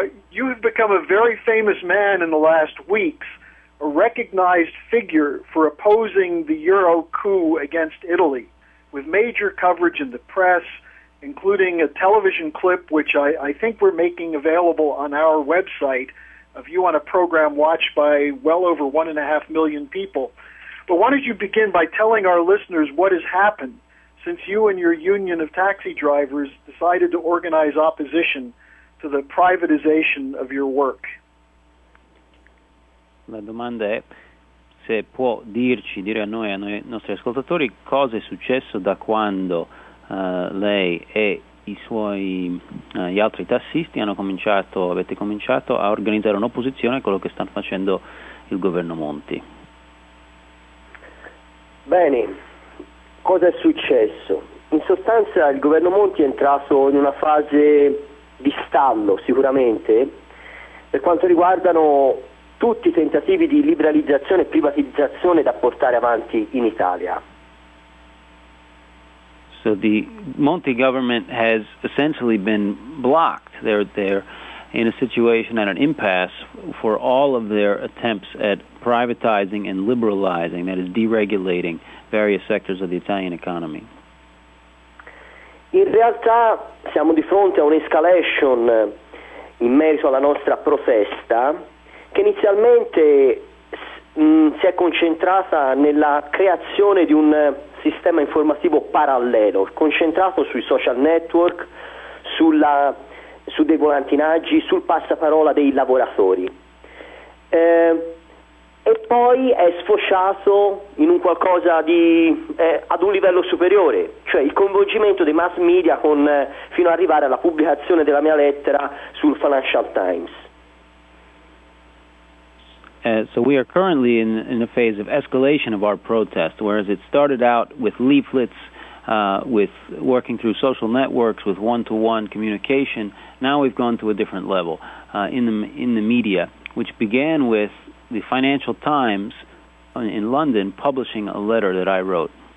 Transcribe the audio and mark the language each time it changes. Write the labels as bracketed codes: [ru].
[en] You have become a very famous man in the last weeks, a recognized figure for opposing the Euro coup against Italy, with major coverage in the press, including a television clip, which I think we're making available on our website, of you on a program watched by well over 1.5 million people. But why don't you begin by telling our listeners what has happened since you and your union of taxi drivers decided to organize opposition to the privatization of your work? [it] La domanda è se può dire a noi, ai nostri ascoltatori, cosa è successo da quando lei e i suoi gli altri tassisti avete cominciato a organizzare un'opposizione a quello che sta facendo il governo Monti. Bene, cosa è successo? In sostanza il governo Monti è entrato in una fase di stallo sicuramente per quanto riguardano tutti i tentativi di liberalizzazione e privatizzazione da portare avanti in Italia. [en] So the Monti government has essentially been blocked. They're in a situation at an impasse for all of their attempts at privatizing and liberalizing, that is deregulating various sectors of the Italian economy. [it] In realtà siamo di fronte a un'escalation in merito alla nostra protesta che inizialmente si è concentrata nella creazione di un sistema informativo parallelo, concentrato sui social network, su dei volantinaggi, sul passaparola dei lavoratori. E poi è sfociato in un qualcosa di ad un livello superiore, cioè il coinvolgimento dei mass media fino ad arrivare alla pubblicazione della mia lettera sul Financial Times. [en] So we are currently in a phase of escalation of our protest, whereas it started out with leaflets, with working through social networks, with one-to-one communication. Now we've gone to a different level in the media, which began with the Financial Times in London publishing a letter that I wrote.